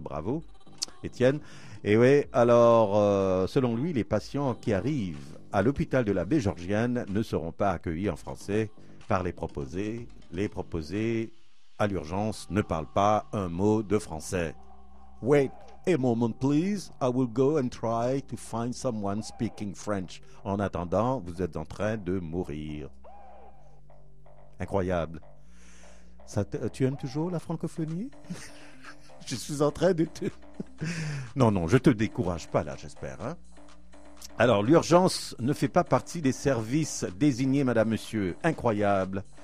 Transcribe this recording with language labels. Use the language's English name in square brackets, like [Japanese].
[French] Bravo, Étienne. Et oui, alors, selon lui, les patients qui arrivent à l'hôpital de la Baie-Georgienne ne seront pas accueillis en français par les proposés. Les proposés, à l'urgence, ne parlent pas un mot de français. [English] Wait a moment, please. I will go and try to find someone speaking French. [French] En attendant, vous êtes en train de mourir. Incroyable. Tu aimes toujours la francophonie? Je suis en train de te... Non, je te décourage pas là, j'espère. Hein? Alors, l'urgence ne fait pas partie des services désignés, madame, monsieur. Incroyable.